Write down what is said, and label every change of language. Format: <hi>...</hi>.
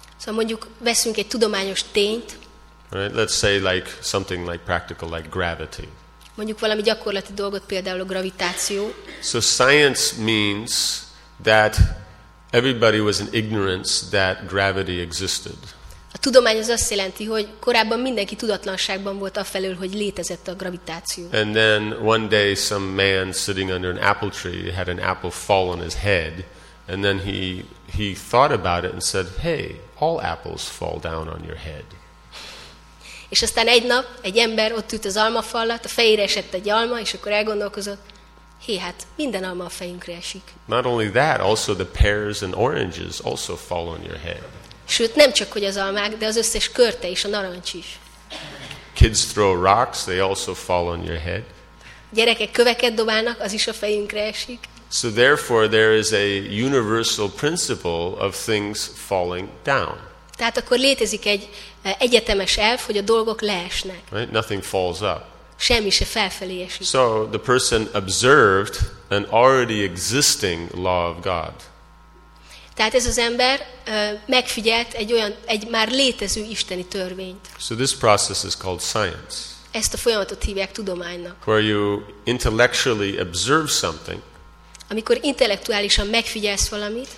<hu>Szóval mondjuk veszünk egy tudományos tényt.</hu> <en>Right? Let's say like something like practical, like gravity.</en> <hu>Mondjuk valami gyakorlati dolgot, például a gravitáció.</hu> <en>So science means that everybody was in ignorance that gravity existed.</en> <hu>A tudomány az azt jelenti, hogy korábban mindenki tudatlanságban volt afelől, hogy létezett a gravitáció.</hu> <en>And then one day some man sitting under an apple tree had an apple fall on his head, and then he thought about it and said, "Hey, all apples fall down on your head."</en> <hu>És aztán egy nap egy ember ott ült az almafallat, a fejére esett egy alma, és akkor elgondolkozott, hé, hát minden alma a fejünkre esik.</hu> <en>Not only that, also the pears and oranges also fall on your head.</en> <hu>Sőt, nem csak hogy az almák, de az összes körte és a narancs is.</hu> <en>Kids throw rocks, they also fall on your head.</en> <hu>Gyerekek köveket dobálnak, az is a fejünkre esik.</hu> <en>So therefore there is a universal principle of things falling down.</en> <hu>Tehát akkor létezik egy egyetemes elv, hogy a dolgok leesnek.</hu> <en>Right? Nothing falls up.</en> <hu>Semmi se felfelé esik.</hu> <en>So the person observed an already existing law of God.</en> <hu>Tehát ez az ember megfigyelt egy olyan, egy már létező isteni törvényt.</hu> <en>So this process is called science.</en> <hu>Ezt a folyamatot hívják tudománynak.</hu> <en>Where you intellectually observe something.</en> <hu>Amikor intellektuálisan megfigyelsz valamit.</hu>